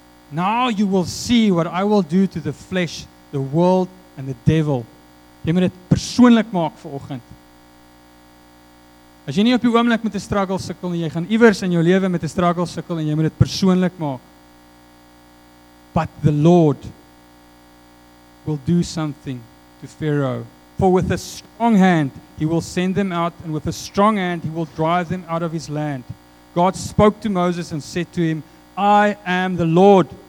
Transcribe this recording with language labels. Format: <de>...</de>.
<en>Now you will see what I will do to the flesh, the world and the devil.</en> <af>Jy moet dit persoonlik maak vir oggend. As jy nie op die oomblik met 'n struggle sukkel nie, jy gaan iewers in jou lewe met 'n struggle sukkel en jy moet dit persoonlik maak.</af> <en>But the Lord will do something to Pharaoh. For with a strong hand he will send them out, and with a strong hand he will drive them out of his land. God spoke to Moses and said to him, I am the Lord.</en>